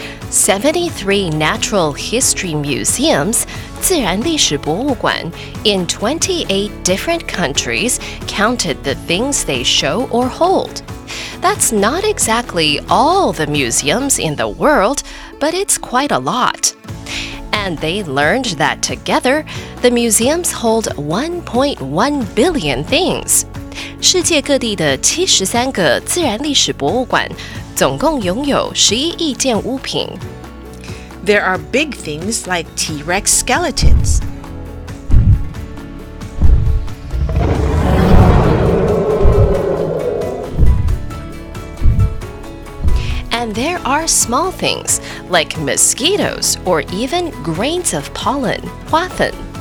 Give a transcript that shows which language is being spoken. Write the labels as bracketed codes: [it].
[en] 73 natural history museums, 自然历史博物馆 in 28 different countries counted the things they show or hold. That's not exactly all the museums in the world, but it's quite a lot. And they learned that together, the museums hold 1.1 billion things. [zh] 世界各地的73个自然历史博物馆总共拥有11亿件物品。 [en] There are big things like T-Rex skeletons. And there are small things like mosquitoes or even grains of pollen, 花粉.